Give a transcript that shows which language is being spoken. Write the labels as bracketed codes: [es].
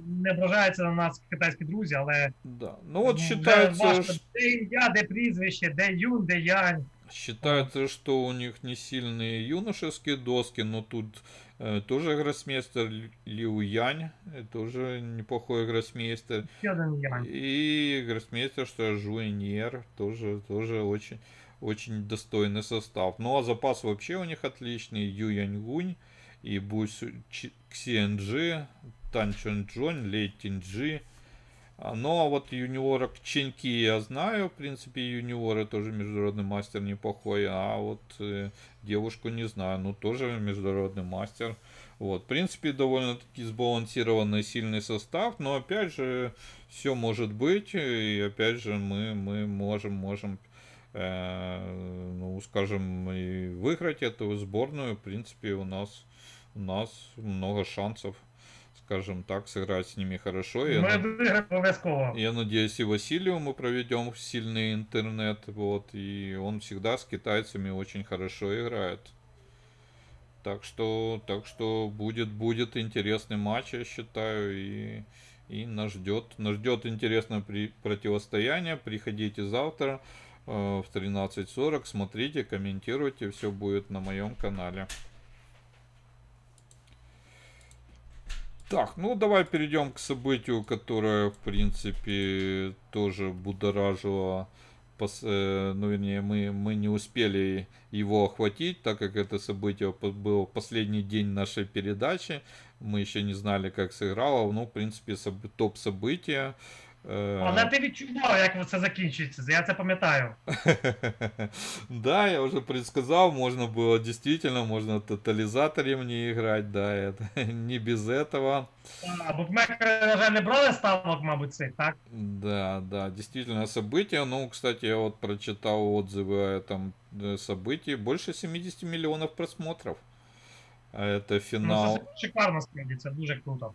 [uk] Не ображаються на нас китайські друзі, але [ru] Да, ну вот [uk] вже [ru] считается, [uk] важко. Де ім'я, де прізвище, де Юнь, де Янь. [ru] Считается, что у них не сильные юношеские доски, но тут тоже гроссмейстер Лиу Янь, тоже неплохой гроссмейстер. И гроссмейстер Шуай Ньер, тоже очень, очень достойный состав. Ну а запас вообще у них отличный. Ю Янь Гунь и Ксиэнджи, Тан Чунчжонь, Лей Тинджи. Ну а вот юниорок Ченьки я знаю, в принципе, юниоры тоже международный мастер неплохой, а вот девушку не знаю, ну тоже международный мастер. Вот, в принципе, довольно-таки сбалансированный сильный состав, но опять же, все может быть, и опять же, мы можем ну, скажем, и выиграть эту сборную, в принципе, у нас много шансов, скажем так, сыграть с ними хорошо. [uk] Ми виграємо обов'язково. [ru] Я надеюсь, [uk] і Василію ми проведемо сильний інтернет. Вот, і він завжди з китайцями [ru] очень хорошо [uk] грає. Так що буде інтересний матч, я вважаю. І нас ждет інтересне противостояние. [ru] Приходите завтра в 13:40. Смотрите, коментируйте. Все [uk] буде на моєму каналі. [ru] Так, ну давай перейдем к событию, которое, в принципе, тоже будоражило. Ну, вернее, мы не успели его охватить, так как это событие было последний день нашей передачи. Мы еще не знали, как сыграло. Ну, в принципе, топ-событие. [uk] Але ти відчував, як це закінчиться, я це пам'ятаю. [ru] Да, я уже предсказал, можно было действительно, можно тотализаторе не играть, да, это не без этого. [uk] А, букмекери, на жаль, не брали ставок, мабуть, цей, так? [ru] Да, действительно событие. Ну, кстати, я вот прочитал отзывы о этом событии. Больше 70 миллионов просмотров. Это [uk] Ну, це шикарно, справді, це дуже круто.